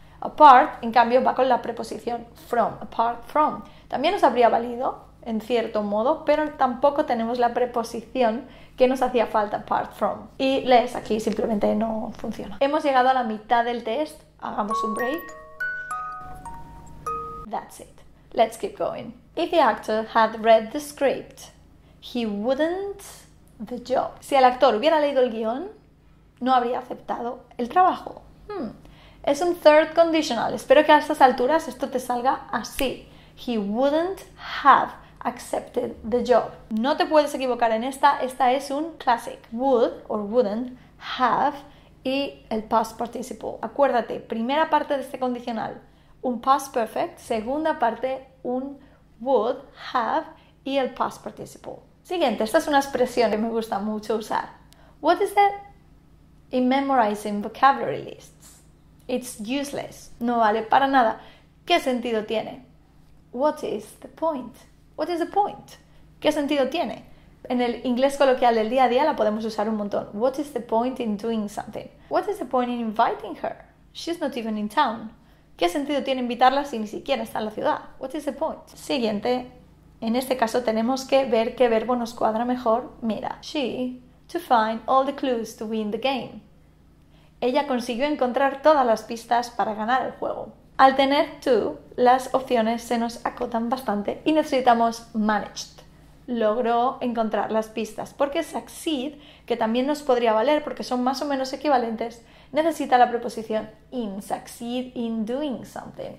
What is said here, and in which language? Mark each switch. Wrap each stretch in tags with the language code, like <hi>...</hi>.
<es>Apart, en cambio, va con la preposición from, apart from. También nos habría valido, en cierto modo, pero tampoco tenemos la preposición que nos hacía falta, apart from. Y less, aquí simplemente no funciona. Hemos llegado a la mitad del test, hagamos un break.</es> <en>That's it. Let's keep going. If the actor had read the script, he wouldn't the job.</en> <es>Si el actor hubiera leído el guión, no habría aceptado el trabajo. Es un third conditional. Espero que a estas alturas esto te salga así.</es> <en>He wouldn't have accepted the job.</en> <es>No te puedes equivocar en esta. Esta es un classic.</es> <en>Would or wouldn't have y el past participle.</en> <es>Acuérdate, primera parte de este condicional, un past perfect. Segunda parte, un would, have y el past participle. Siguiente. Esta es una expresión que me gusta mucho usar.</es> <en>What is that? In memorizing vocabulary lists. It's useless.</en> <es>No vale para nada. ¿Qué sentido tiene?</es> <en>What is the point? What is the point?</en> <es>¿Qué sentido tiene? En el inglés coloquial del día a día la podemos usar un montón.</es> <en>What is the point in doing something? What is the point in inviting her? She's not even in town.</en> <es>¿Qué sentido tiene invitarla si ni siquiera está en la ciudad?</es> <en>What is the point?</en> <es>Siguiente. En este caso tenemos que ver qué verbo nos cuadra mejor. Mira.</es> <en>She to find all the clues to win the game.</en> <es>Ella consiguió encontrar todas las pistas para ganar el juego. Al tener to, las opciones se nos acotan bastante y necesitamos managed. Logró encontrar las pistas. Porque succeed, que también nos podría valer porque son más o menos equivalentes, necesita la preposición in, succeed in doing something.</es>